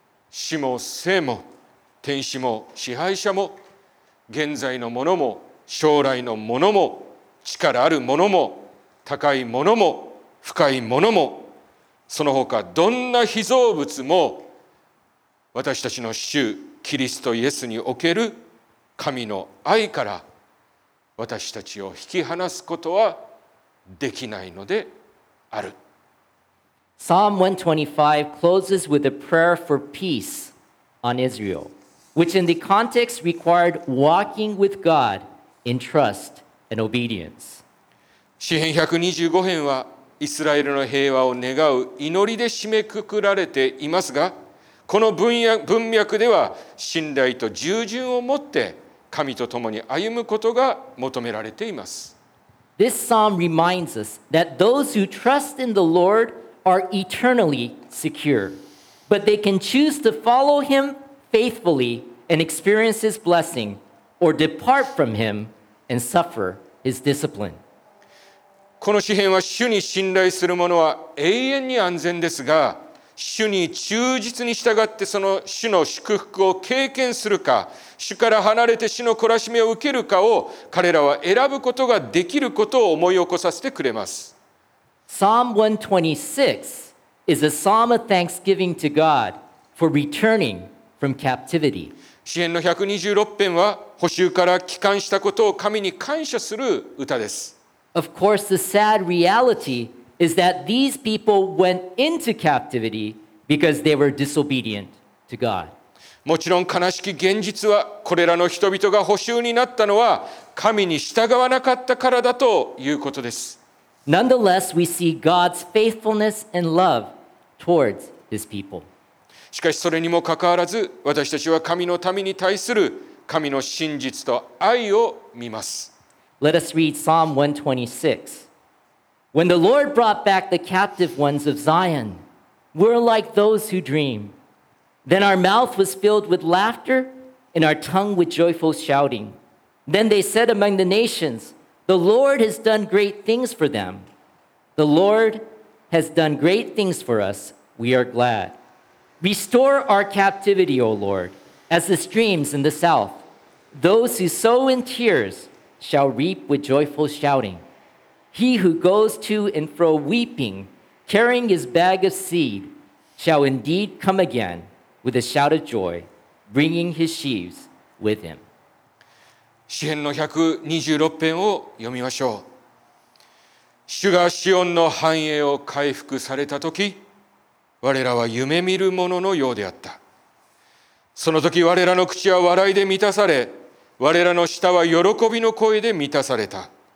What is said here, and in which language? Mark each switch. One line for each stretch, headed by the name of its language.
Japanese: 死も生も、天使も支配者も、現在のものも、将来のものも、力あるものも、高いものも、深いものも、その他どんな被造物も、私たちの主、キリストイエスにおける神の愛から、私たちを引き離すことはできないのである。
English: Psalm 125 closes with a prayer for peace on Israel, which in the context required walking with God in trust and obedience.
Japanese: 詩編125編はイスラエルの平和を願う祈りで締めくくられていますが、この文脈では信頼と従順をもって神と共に歩むことが求められています。
English: This psalm reminds us that those who trust in the Lord are eternally secure, but they can choose to follow him faithfully and experience his blessing, or depart from him and suffer his discipline.
Japanese: この詩編は主に信頼する者は永遠に安全ですが、主に忠実に従ってその主の祝福を経験するか、主から離れて主の懲らしめを受けるかを彼らは選ぶことができることを思い起こさせてくれます。
English: Psalm 126 is a psalm of thanksgiving to God for returning from captivity.
Japanese: 詩編の126編は捕囚から帰還したことを神に感謝する歌です。
English: Of course the sad realityis that these people went into captivity because they were disobedient to God.
Japanese: もちろん悲しき現実はこれらの人々が捕囚になったのは神に従わなかったからだということです。
English: Nonetheless, we see God's faithfulness and love towards his people.
Japanese: しかしそれにもかかわらず私たちは神の民に対する神の真実と愛を見ます。
English: Let us read Psalm 126. When the Lord brought back the captive ones of Zion, we're like those who dream. Then our mouth was filled with laughter and our tongue with joyful shouting. Then they said among the nations, the Lord has done great things for them. The Lord has done great things for us. We are glad. Restore our captivity, O Lord, as the streams in the south. Those who sow in tears shall reap with joyful shouting. He who goes to and fro weeping, carrying his bag of seed, shall indeed come again with a shout of joy, bringing his sheaves with him.
Japanese: 詩編の126編を読みましょう。主がシオンの繁栄を回復された時、我らは夢見る者のようであった。その時我らの口は笑いで満たされ、我らの舌は喜びの声で満たされた。